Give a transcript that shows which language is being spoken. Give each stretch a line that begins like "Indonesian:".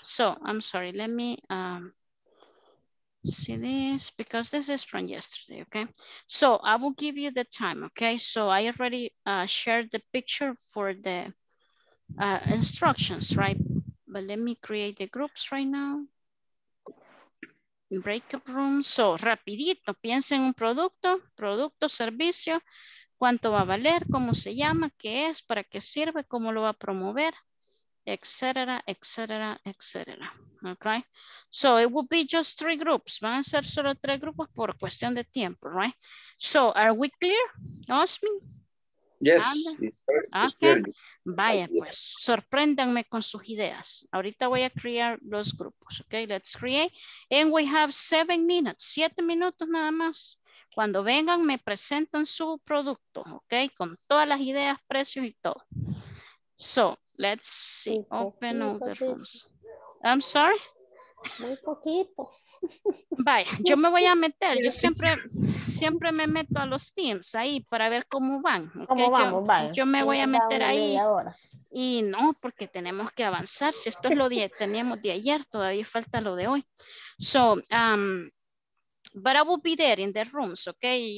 English: So I'm sorry, let me see this, because this is from yesterday. Okay, so I will give you the time. Okay, so I already shared the picture for the instructions, right? But let me create the groups right now. Breakup room.
Spanish: So rapidito, piensa en un producto, producto, servicio, cuánto va a valer, cómo se llama, qué es, para qué sirve, cómo lo va a promover, etcétera, etcétera, etcétera. Okay.
English: So it will be just three groups.
Spanish: Van a ser solo tres grupos por cuestión de tiempo, right?
English: So are we clear, Osmin? Yes.
Spanish: Okay. Vaya pues, sorpréndanme con sus ideas. Ahorita voy a crear los grupos.
English: Okay, let's create. And we have 7 minutes,
Spanish: 7 minutos nada más. Cuando vengan, me presentan su producto, ok, con todas las ideas, precios y todo.
English: So, let's see, open all the rooms. I'm sorry.
Spanish: Muy poquito. Vaya, yo me voy a meter, yo siempre me meto a los Teams ahí para ver cómo van. Okay? ¿Cómo vamos? Yo, vale. Yo me voy a meter ahí. Y no, porque tenemos que avanzar. Si esto es lo que teníamos de ayer, todavía falta lo de hoy.
English: So, but I will be there in the rooms, okay?